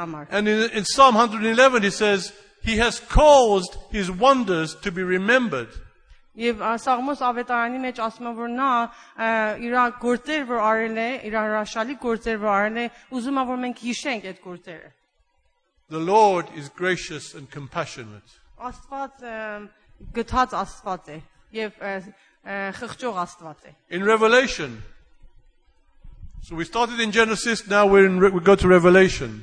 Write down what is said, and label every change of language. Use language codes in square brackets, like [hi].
[en] And in Psalm 111 he says, he has caused his wonders to be remembered. [hy] Եվ Սաղմոս ավետարանի մեջ ասում է, որ նա իր գործեր, որ արել է, իր հրաշալի գործեր, որ արել է, ուզում է, որ մենք հիշենք այդ գործերը. [en] The Lord is gracious and compassionate. [hy] Աստված գտած Աստված է եւ խղճող Աստված է. [en] In Revelation. So we started in Genesis, now we go to Revelation.